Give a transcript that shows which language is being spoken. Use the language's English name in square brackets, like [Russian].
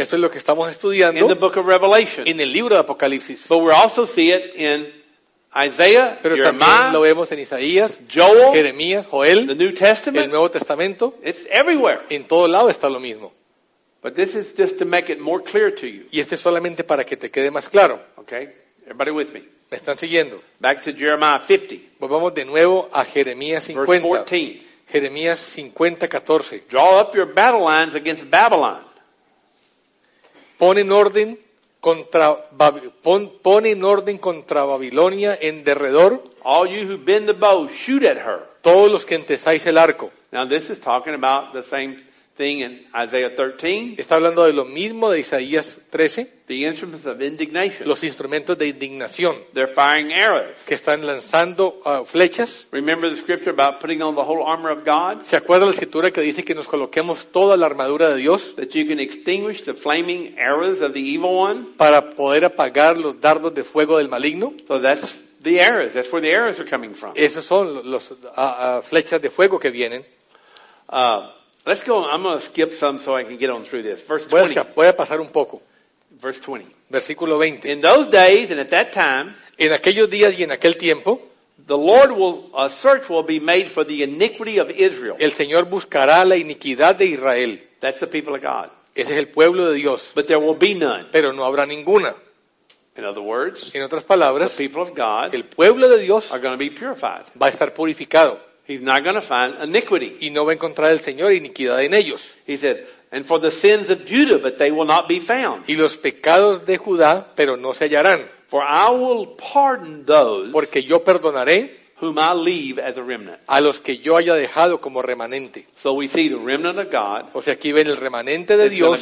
[Spanish] Esto es lo que estamos estudiando. [English] In the book of Revelation. [Spanish] En el libro de Apocalipsis. [English] But we also see it in Isaiah, [Spanish] pero [English] Jeremiah, [Spanish] lo vemos en Isaías, [English] Joel, [Spanish] Jeremías, Joel, [English] the New Testament, [Spanish] el Nuevo Testamento. [English] It's everywhere. [Spanish] En todo lado está lo mismo. [English] But this is just to make it more clear to you. [Spanish] Y este es solamente para que te quede más claro. [English] Okay, everybody with me. [Spanish] Me están siguiendo. [English] Back to Jeremiah 50. [Spanish] Volvamos de nuevo a Jeremías 50. [English] Verse 14. [Spanish] Jeremías 50, 14. [English] Draw up your battle lines against Babylon. [Spanish] Pon en orden contra pone en orden contra Babilonia en derredor. [English] All you who bend the bow, shoot at her. [Spanish] Todos los que entesáis el arco. [English] Now this is talking about the same thing in Isaiah 13. [Spanish] Está hablando de lo mismo de Isaías 13. [English] The instruments of indignation. [Spanish] Los instrumentos de indignación. [English] They're firing arrows. [Spanish] Que están lanzando flechas. [English] Remember the scripture about putting on the whole armor of God? [Spanish] ¿Se acuerda la escritura que dice que nos coloquemos toda la armadura de Dios? [English] That you can extinguish the flaming arrows of the evil one? [Spanish] Para poder apagar los dardos de fuego del maligno. [English] So that's the arrows. That's where the arrows are coming from. [Spanish] Esos son los flechas de fuego que vienen. [English] Let's go. I'm going to skip some so I can get on through this. Verse [Spanish] 20. Voy a pasar un poco. [English] Verse 20. [Spanish] Versículo 20. [English] In those days and at that time, [Spanish] en aquellos días y en aquel tiempo, [English] the Lord will a search will be made for the iniquity of Israel. [Spanish] El Señor buscará la iniquidad de Israel. [English] That's the people of God. [Spanish] Ese es el pueblo de Dios. [English] But there will be none. [Spanish] Pero no habrá ninguna. [English] In other words, [Spanish] en otras palabras, [English] the people of God, [Spanish] el pueblo de Dios, [English] are going to be purified. [Spanish] Va a estar purificado. [English] He's not going to find iniquity. [Spanish] Y no va a encontrar el Señor iniquidad en ellos. [English] He said, and for the sins of Judah, but they will not be found. [Spanish] Y los pecados de Judá, pero no se hallarán. [English] For I will pardon those. [Spanish] Porque yo perdonaré. [English] Whom I leave as a remnant. [Spanish] A los que yo haya dejado como remanente. [English] So we see the remnant of God. [Spanish] O sea, aquí ven el remanente de Dios.